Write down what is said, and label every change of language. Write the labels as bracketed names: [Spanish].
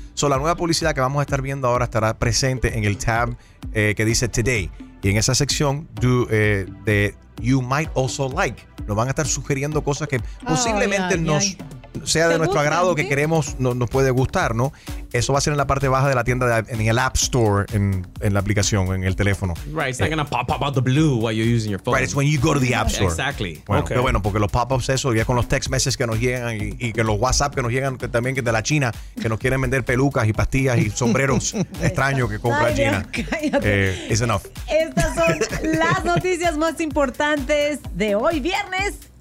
[Spanish] So la nueva publicidad que vamos a estar viendo ahora estará presente en el tab que dice Today. Y en esa sección de You Might Also Like, nos van a estar sugiriendo cosas que posiblemente sea de nuestro agrado, que queremos, nos puede gustar, ¿no? Eso va a ser en la parte baja de la tienda, en el App Store, en la aplicación, en el teléfono. [English] Right, it's not going to pop out the blue while you're using your phone. Right, it's when you go to the App Store. Exactly. [Spanish] Bueno, [English] okay. [Spanish] Pero bueno, porque los pop-ups, eso, ya con los text messages que nos llegan y que los WhatsApp que nos llegan que también que de la China, que nos quieren vender pelucas y pastillas y sombreros extraños que compra China. [English] It's enough. [Spanish] Estas son las noticias más importantes de hoy, viernes.